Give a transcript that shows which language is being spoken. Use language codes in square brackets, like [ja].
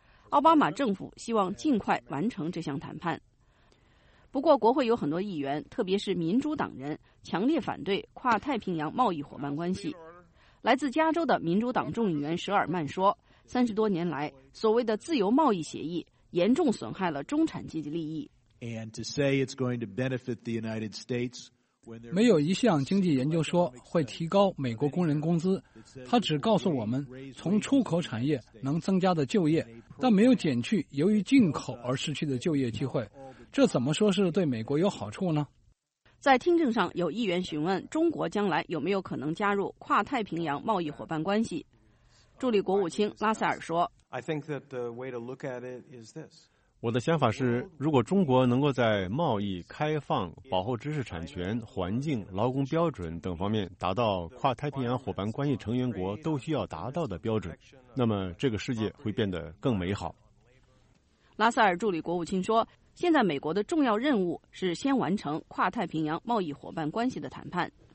[zh] 奥巴马政府希望尽快完成这项谈判。不过，国会有很多议员，特别是民主党人，强烈反对跨太平洋贸易伙伴关系。来自加州的民主党众议员舍尔曼说，30多年来，所谓的自由贸易协议严重损害了中产阶级利益。 [en] And to say it's going to benefit the United States， [zh] 没有一项经济研究说会提高美国工人工资，它只告诉我们从出口产业能增加的就业，但没有减去由于进口而失去的就业机会，这怎么说是对美国有好处呢？在听证上，有议员询问中国将来有没有可能加入跨太平洋贸易伙伴关系。助理国务卿拉塞尔说， [en] I think that the way to look at it is this. [zh] 我的想法是，如果中国能够在贸易、开放、保护知识产权、环境、劳工标准等方面达到跨太平洋伙伴关系成员国都需要达到的标准，那么这个世界会变得更美好。拉塞尔助理国务卿说，现在美国的重要任务是先完成跨太平洋贸易伙伴关系的谈判。